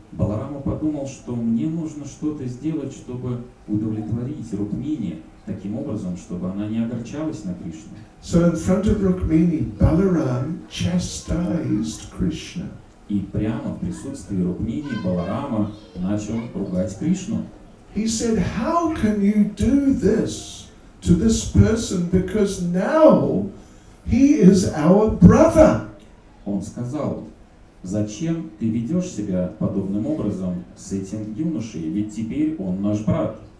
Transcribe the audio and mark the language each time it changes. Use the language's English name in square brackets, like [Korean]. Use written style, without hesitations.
[Russian] Баларама подумал, что мне нужно что-то сделать, чтобы удовлетворить Рукмини таким образом, чтобы она не огорчалась на Кришну. [English] So in front of Rukmini, Balaram chastised Krishna. [Russian] И прямо в присутствии Рукмини Баларама начал ругать Кришну. [English] He said, "How can you do this to this person? Because now he is our brother." [Russian] Он сказал, зачем ты ведешь себя подобным образом с этим юношей, ведь теперь он наш брат.